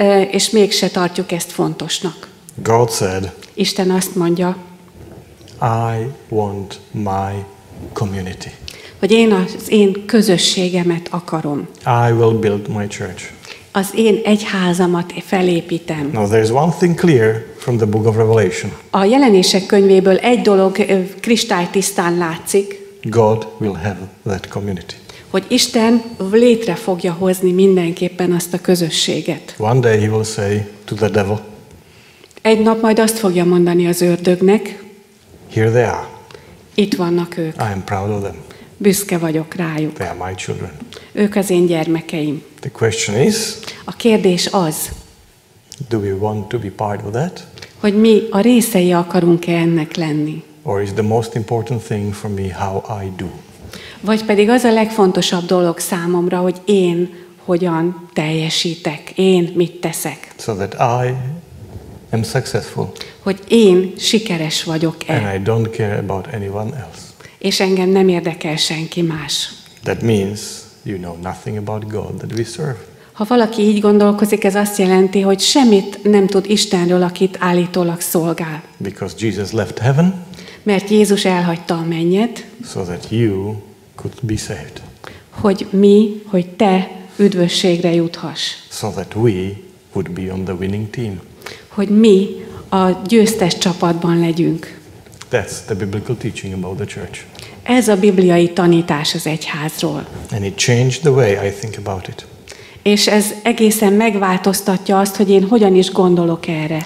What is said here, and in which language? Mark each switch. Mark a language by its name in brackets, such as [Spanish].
[Hungarian] És mégse tartjuk ezt fontosnak. [English] God said. [Hungarian] Isten azt mondja. [English] I want my community. [Hungarian] Hogy én az én közösségemet akarom. [English] I will build my church. [Hungarian] Az én egyházamat felépítem. [English] Now there is one thing clear from the book of Revelation. [Hungarian] A jelenések könyvéből egy dolog kristálytisztán látszik. [English] God will have that community. [Hungarian] Hogy Isten létre fogja hozni mindenképpen azt a közösséget. [English] One day he will say to the devil. [Hungarian] Egy nap majd azt fogja mondani az ördögnek. [English] Here they are. [Hungarian] Itt vannak ők. [English] I am proud of them. [Hungarian] Büszke vagyok rájuk. [English] They are my children. [Hungarian] Ők az én gyermekeim. [English] The question is, [Hungarian] a kérdés az, [English] do we want to be part of that? [Hungarian] Hogy mi a részei akarunk-e ennek lenni? [English] Or is the most important thing for me how I do? [Hungarian] Vagy pedig az a legfontosabb dolog számomra, hogy én hogyan teljesítek, én mit teszek? [English] So that I am successful. [Hungarian] Hogy én sikeres vagyok-e? [English] And I don't care about anyone else. [Hungarian] És engem nem érdekel senki más. [English] That means you know nothing about God that we serve. [Hungarian] Ha valaki így gondolkozik, ez azt jelenti, hogy semmit nem tud Istenről, akit állítólag szolgál. [English] Because Jesus left heaven. [Hungarian] Mert Jézus elhagyta a mennyet. [English] So that you could be saved. [Hungarian] Hogy te üdvösségre juthass. [English] So that we would be on the winning team. [Hungarian] Hogy mi a győztes csapatban legyünk. [English] That's the biblical teaching about the church. [Hungarian] Ez a bibliai tanítás az egyházról. [English] And it changed the way I think about it. [Hungarian] És ez egészen megváltoztatja azt, hogy én hogyan is gondolok erre.